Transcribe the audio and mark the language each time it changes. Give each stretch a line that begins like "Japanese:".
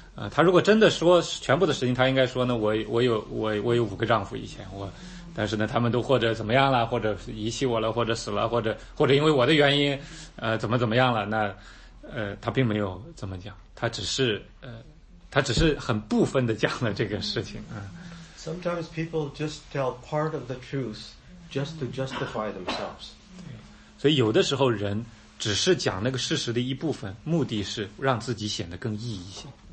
Chinese: 他如果真的说全部的实情，他应该说呢，我有5个丈夫以前，但是呢，他们都或者怎么样了，或者遗弃我了，或者死了，或者因为我的原因，怎么怎么样了？那他并没有这么讲，他只是很部分的讲了这个事情。
English: Sometimes people just tell part of the truth. Just to justify themselves.
Chinese: 所以有的时候人只是讲那个事实的一部分，目的是让自己显得更义一些。